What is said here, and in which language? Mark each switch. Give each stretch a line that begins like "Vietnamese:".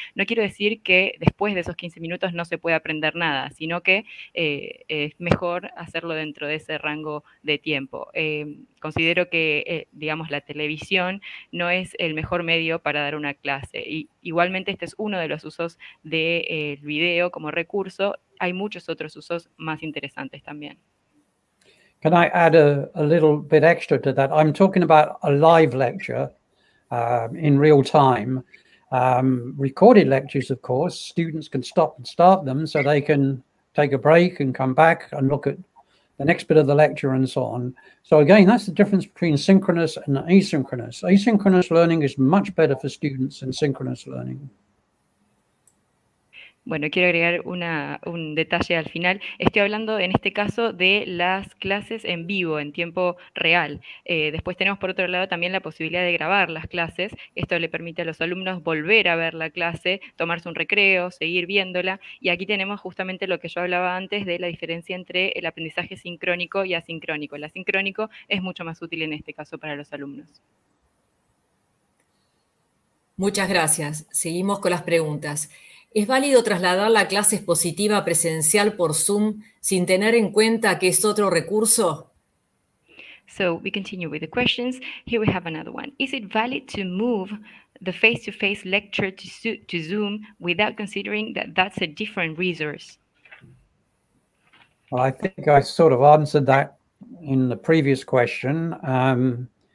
Spanish: No quiero decir que después de esos 15 minutos no se puede aprender nada, sino que es mejor hacerlo dentro de ese rango de tiempo. Considero que, digamos, la televisión no es el mejor medio para dar una clase. Y igualmente, este es uno de los usos del video como recurso. Hay muchos otros usos más interesantes también.
English: Can I add a little bit extra to that? I'm talking about a live lecture in real time. Recorded lectures, of course, students can stop and start them so they can take a break and come back and look at the next bit of the lecture and so on. So again, that's the difference between synchronous and asynchronous. Asynchronous learning is much better for students than synchronous learning.
Spanish: Bueno, quiero agregar un detalle al final. Estoy hablando en este caso de las clases en vivo, en tiempo real. Después tenemos por otro lado también la posibilidad de grabar las clases. Esto le permite a los alumnos volver a ver la clase, tomarse un recreo, seguir viéndola. Y aquí tenemos justamente lo que yo hablaba antes de la diferencia entre el aprendizaje sincrónico y asincrónico. El asincrónico es mucho más útil en este caso para los alumnos. Muchas gracias. Seguimos con las preguntas. ¿Es válido trasladar la clase expositiva presencial por Zoom sin tener en cuenta que es otro recurso?
English: So, we continue with the questions. Here we have another one. Is it valid to move the face-to-face lecture to Zoom without considering that that's a different resource? Well, I think I sort of answered that in the previous question.